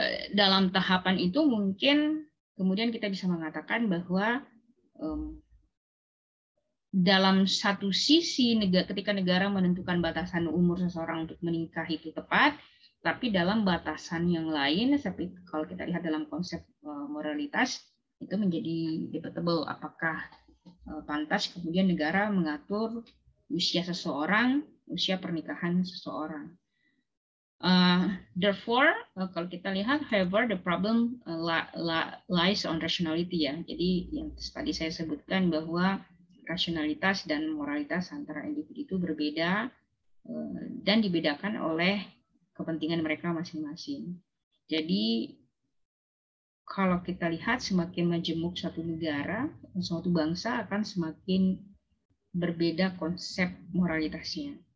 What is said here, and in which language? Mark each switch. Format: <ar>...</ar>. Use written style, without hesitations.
<id>Dalam tahapan itu mungkin kemudian kita bisa mengatakan bahwa dalam satu sisi ketika negara menentukan batasan umur seseorang untuk menikah itu tepat, tapi dalam batasan yang lain, tapi kalau kita lihat dalam konsep moralitas, itu menjadi debatable. Apakah pantas kemudian negara mengatur usia seseorang, usia pernikahan seseorang.</id> <en>Therefore,</en> <id>kalau kita lihat,</id> <en>however, the problem lies on rationality.</en> <id>Ya. Jadi yang tadi saya sebutkan bahwa rasionalitas dan moralitas antara individu itu berbeda dan dibedakan oleh kepentingan mereka masing-masing. Jadi kalau kita lihat, semakin majemuk suatu negara, suatu bangsa akan semakin berbeda konsep moralitasnya.</id>